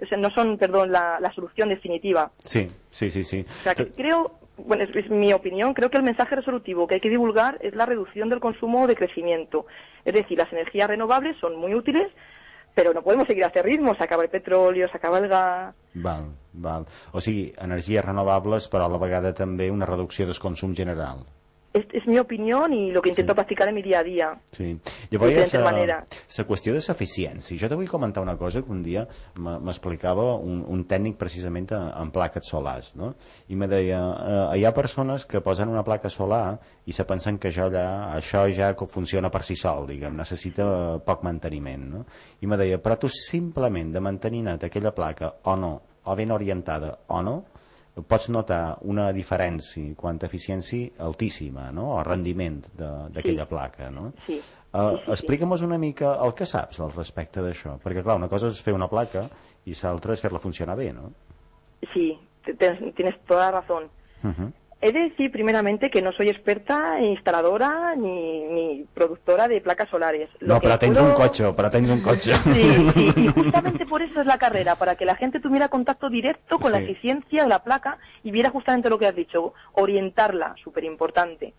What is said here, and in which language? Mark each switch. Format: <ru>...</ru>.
<es>o sea, no son, perdón, la solución definitiva. Sí, sí, sí, sí. O sea, que creo, bueno, es mi opinión, creo que el mensaje resolutivo que hay que divulgar es la reducción del consumo de crecimiento. Es decir, las energías renovables son muy útiles, pero no podemos seguir a este ritmo, se acaba el petróleo, se acaba el gas...</es> <ca>Val. O sigui, energies renovables, però a la vegada també una reducció del consum general. És mi opinió i el que intento sí. practicar en mi dia a dia. Sí. Llavors, la qüestió de l'eficiència. Jo te vull comentar una cosa que un dia m'explicava un tècnic precisament en plaques solars, no? I me deia, hi ha persones que posen una placa solar i se pensen que això ja funciona per si sol, diguem, necessita poc manteniment, no? I me deia, però tu simplement de mantenir-ne't aquella placa o no, o ben orientada o no, pots notar una diferència quant a eficiència altíssima, no? O rendiment d'aquella sí. placa, no? Sí. Explica'm-nos una mica el que saps al respecte d'això, perquè, clar, una cosa és fer una placa i l'altra és fer-la funcionar bé, no?</ca> <es>Sí, tienes toda la razón. Uh-huh. He de decir primeramente que no soy experta instaladora ni productora de placas solares. No, pero tengo un coche, Sí, y justamente por eso es la carrera, para que la gente tuviera contacto directo con sí. la eficiencia de la placa y viera justamente lo que has dicho, orientarla, súper importante.</es>